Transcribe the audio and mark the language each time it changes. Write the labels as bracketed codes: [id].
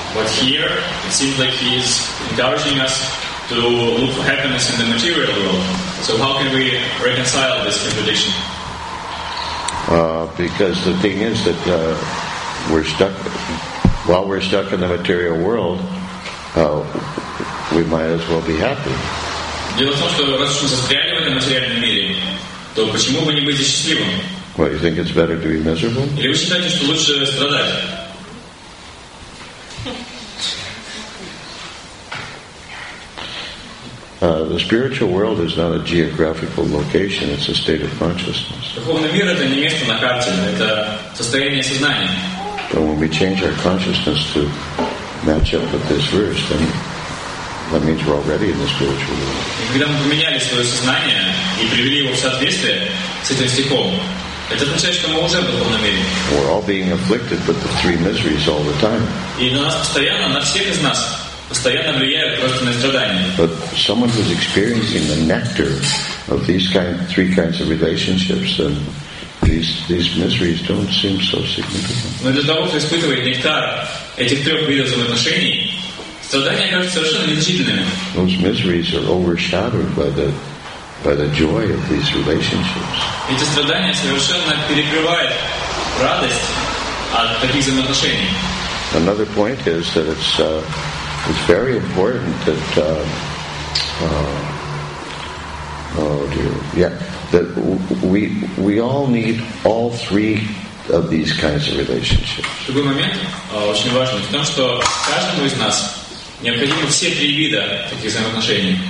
[en] But here it seems like he is encouraging us to look for happiness in the material world. So how can we reconcile this contradiction? Because the thing is that while we're stuck in the material world, we might as well be happy. [ru] Дело в том, что раз уж мы застряли в этом материальном мире, то почему бы не быть счастливым? [en] What, you think it's better to be miserable? [ru] Или вы считаете, что лучше страдать? [en] The spiritual world is not a geographical location, it's a state of consciousness. [ru] Духовный мир — это не место на карте, это состояние сознания. [en] But when we change our consciousness to match up with this verse, then that means we're already in the spiritual world. [ru] Когда мы поменяли свое сознание и привели его в соответствие с этим стихом, это означает, что мы уже в духовном мире. [en] We're all being afflicted with the three miseries all the time. [ru] И на нас постоянно, на всех из нас постоянно влияют тройственные страдания. [en] But someone who's experiencing the nectar of these three kinds of relationships, then these miseries don't seem so significant. [ru] Но для того, кто испытывает нектар этих трех видов взаимоотношений, страдания кажутся совершенно незначительными. [en] Those miseries are overshadowed by the joy of these relationships. [ru] Эти страдания совершенно перекрывают радость от таких взаимоотношений. [en] Another point is that it's very important that that we all need all three of these kinds of relationships. [ru] Другой момент очень важный в том, что каждому из нас необходимы все три вида таких взаимоотношений.